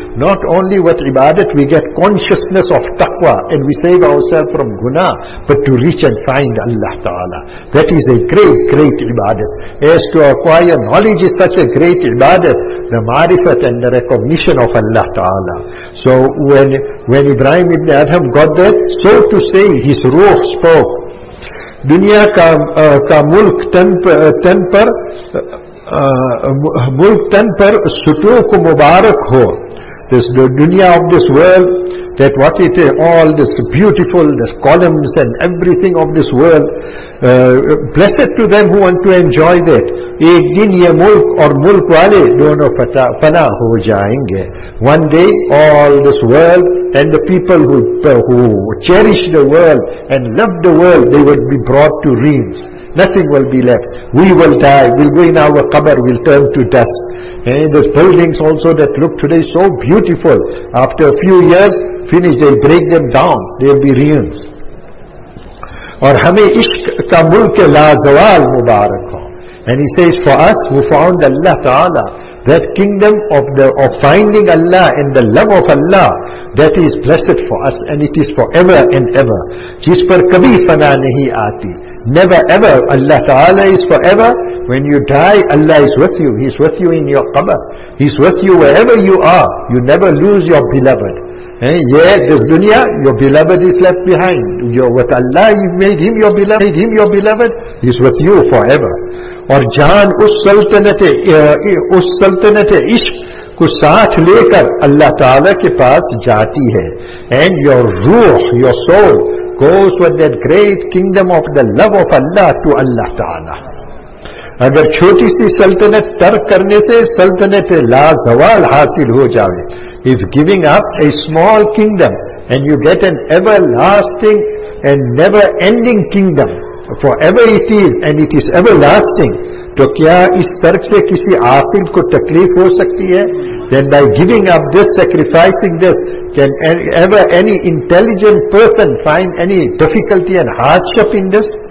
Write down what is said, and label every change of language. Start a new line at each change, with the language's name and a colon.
English: Not only what ibadat, we get consciousness of taqwa and we save ourselves from guna, but to reach and find Allah Ta'ala. That is a great, great ibadat. As to acquire knowledge is such a great ibadat, the marifat and the recognition of Allah Ta'ala. So when Ibrahim ibn Adham got that, so to say, his ruh spoke.
Urdu: دنیا کا ملک تن پر سٹو کو مبارک ہو.
English: This the دنیا of this world, that what it is, all this beautiful, this columns and everything of this world, blessed to them who want to enjoy that.
Urdu: ایک دن یہ ملک اور ملک والے دونوں فنا ہو جائیں گے.
English: One day all this world and the people who cherish the world and love the world, they will be brought to ruins. Nothing will be left. We will die. We'll go in our qabr. We'll turn to dust. And those buildings also that look today so beautiful, after a few years, finish, they'll break them down. They'll be ruins.
Urdu: اور ہمیں عشق کا ملک لازوال مبارک ہو.
English: And he says, for us who found Allah Ta'ala, that kingdom of the of finding Allah and the love of Allah, that is blessed for us and it is forever and ever.
Urdu: جس پر کبھی فنا نہیں آتی.
English: Never ever. Allah Ta'ala is forever. When you die, Allah is with you. He is with you in your qabr. He is with you wherever you are. You never lose your beloved. This dunya, your beloved is left behind. You're with Allah, you've made him your beloved. He's with you forever.
Urdu: اور جان اس سلطنت عشق کو ساتھ لے کر اللہ تعالیٰ کے پاس جاتی ہے.
English: And your ruh, your soul, goes with that great kingdom of the love of Allah to Allah Ta'ala.
Urdu: اگر چھوٹی سی سلطنت ترک کرنے سے سلطنت لازوال حاصل ہو جائے,
English: if giving up a small kingdom and you get an everlasting and never ending kingdom, forever it is and it is everlasting,
Urdu: تو کیا اس ترک سے کسی عاقل کو تکلیف ہو سکتی ہے؟
English: Then by giving up this, sacrificing this, can ever any intelligent person find any difficulty and hardship in this?